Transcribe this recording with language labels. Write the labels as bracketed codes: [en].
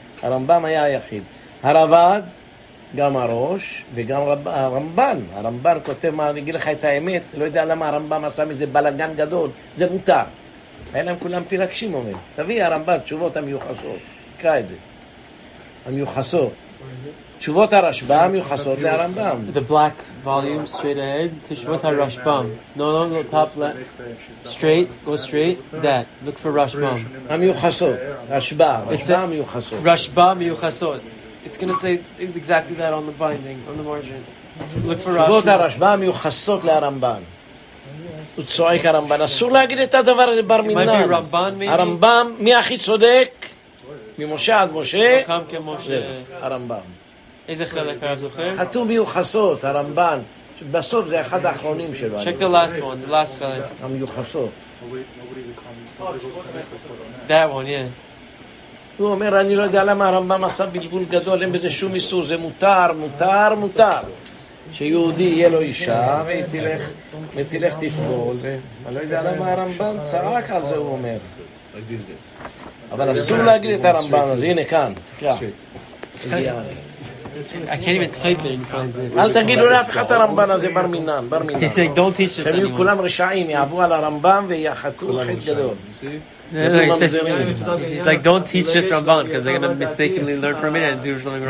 [he] הרמב״ם היה היחיד. הרבד, גם הראש, וגם הרמב״ן. הרמב״ן כותב, אני אגיד לך את האמת, לא יודע למה הרמב״ם עשה מזה בלגן גדול, זה מותר. היה להם כולם פילגשים, אומר. תביא הרמב״ן, תשובות המיוחסות, תקרא את זה. המיוחסות. תשובות הרשב"א מיוחסות לרמב"ם. [en] The black volume straight ahead, תשובות הרשב"ם. No, no, no, top left. Straight, go straight, that. Look for רשב"ם. [he] המיוחסות, רשב"א, רשב"א מיוחסות. רשב"א מיוחסות. [en] It's going to say exactly that on the binding, on the margin. Look for רשב"ם. [he] תשובות הרשב"א מיוחסות לרמב"ם. הוא צועק הרמב"ן. אסור להגיד את הדבר הזה בר מינן. [en] Might be רמב"ן, maybe. [he] הרמב"ם, מי הכי צודק? ממשה עד משה. קם כמשה. הרמב"ם. איזה חלק הרב זוכר? חתום מיוחסות, הרמב"ן. בסוף זה אחד האחרונים שלו. [en] Check the last one, the last חלק. [he] המיוחסות. [en] That one, yeah. [he] הוא אומר, אני לא יודע למה הרמב"ם עשה בלבול גדול, אין בזה שום איסור, זה מותר, מותר, מותר. שיהודי יהיה לו אישה, ותלך תתבול. אני לא יודע למה הרמב"ם צעק על זה, הוא אומר. אבל אסור להגיד את הרמב"ם הזה, הנה כאן, תקרא. [en] I can't even type it in front of [he] me. אל תגידו לאף אחד הרמב"ן הזה בר מינן, בר מינן. [en] He's like, don't teach us anymore. [he] הם יהיו כולם רשעים, יעבו על הרמב"ן ויחתו חטא גדול. [en] He's like, don't teach us רמב"ן, because they're going to mistakenly learn from it and do something wrong.